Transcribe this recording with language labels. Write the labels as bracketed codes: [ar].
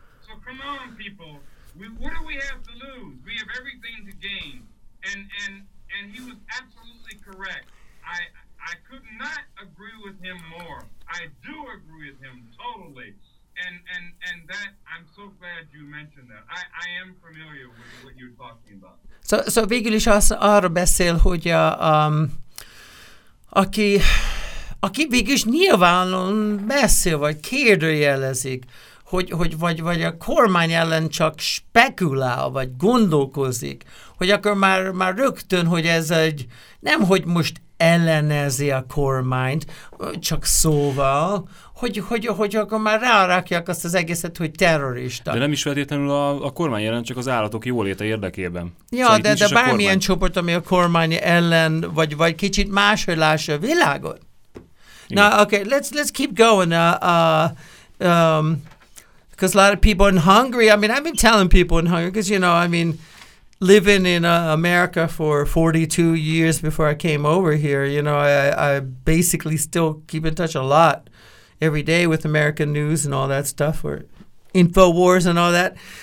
[en] So come on, people. What do we have to lose? We have everything to gain. And he was absolutely correct. I could not agree with him more. I do agree with him totally. And that, I'm so glad you mentioned that. I am familiar with what you're talking about. [hu] So végül is arra beszél, hogy aki végül is nyilvánon beszél, vagy kérdőjelezik, hogy vagy a kormány ellen csak spekulál, vagy gondolkozik, hogy akkor már rögtön, hogy ez egy, nem hogy most ellenezi a kormányt, csak szóval, hogy akkor már rárakják azt az egészet, hogy terrorista. De nem is feltétlenül a kormány ellen, csak az állatok jóléte érdekében. Ja, szóval de bármilyen kormány. Csoport, ami a kormány ellen, vagy kicsit máshogy lássa a világot. Igen. Na, [en] okay, let's keep going. Because a lot of people in Hungary, I mean, I've been telling people in Hungary, because, you know, I mean, living in America for 42 years before I came over here, you know, I basically still keep in touch a lot every day with American news and all that stuff, or InfoWars and all that.